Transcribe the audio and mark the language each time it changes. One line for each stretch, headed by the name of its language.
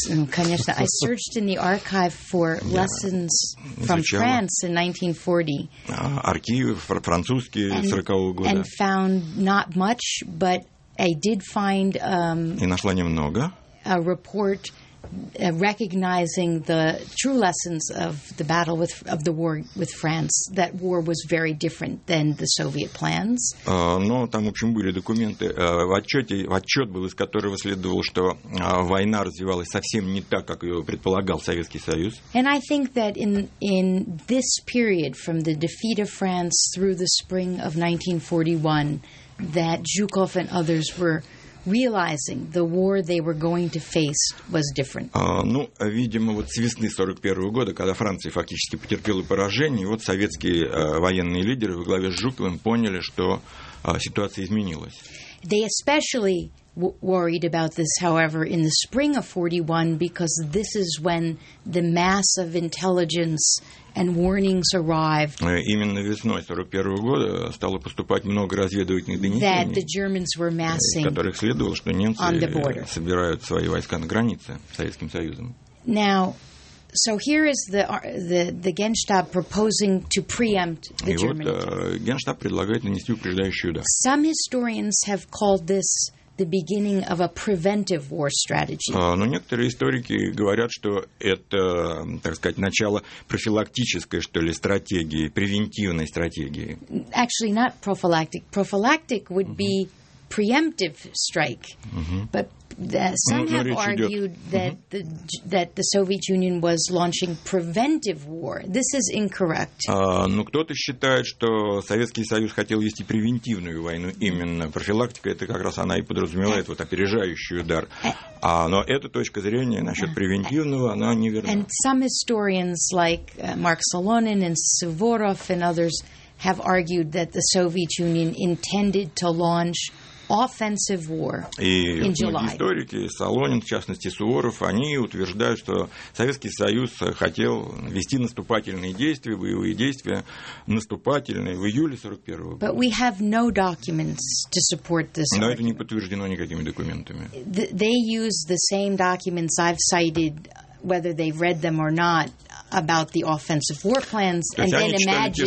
Russian: Конечно,
English: I searched in the archive for lessons from France in 1940.
Russian: Архивы французские 40-го года.
English: And found not much, but I did find.
Russian: И нашла немного.
English: A report. Recognizing the true lessons of the battle with of the war with France, that war was very different than the Soviet plans.
Russian: Но там, в общем, были документы в отчёте был, из которого следовало, что война развивалась совсем не так, как её предполагал Советский Союз.
English: And I think that in this period, from the defeat of France through the spring of 1941, that Zhukov and others were realizing the war they were going to face was different.
Russian: Ну, видимо, вот с весны 41-го года, когда Франция фактически потерпела поражение, вот советские военные лидеры во главе с Жуковым поняли, что ситуация изменилась.
English: They especially worried about this, however, in the spring of 41, because this is when the mass of intelligence and warnings arrived.
Russian: Именно весной 41-го года стало поступать много разведывательных донесений,
English: that the Germans were massing,
Russian: которых следовало, что немцы собирают свои войска на границе с Советским Союзом.
English: Now, so here is the Генштаб proposing to preempt the Germans.
Russian: И вот Генштаб предлагает нанести упреждающий удар.
English: Some historians have called this the beginning of a preventive war strategy.
Russian: Но некоторые историки говорят, что это, так сказать, начало профилактической, что ли, стратегии, превентивной стратегии.
English: Actually, not prophylactic. Prophylactic would be preemptive strike. But some have argued that the Soviet Union was launching preventive war. This is incorrect.
Russian: Но кто-то считает, что Советский Союз хотел вести превентивную войну. Именно профилактика, это как раз она и подразумевает вот опережающий удар. Но эта точка зрения насчет превентивного, она неверна.
English: And some historians, like Mark Solonin and Suvorov and others, have argued that the Soviet Union intended to launch offensive war in July.
Russian: Историки, Солонин, в частности, Суворов, они утверждают, что Советский Союз хотел вести наступательные действия, боевые действия, наступательные в июле 41-го года.
English: But we have no documents to support this argument.
Russian: Но это не подтверждено никакими документами.
English: They use the same documents I've cited, whether they've read them or not, about the offensive war plans, and then imagine.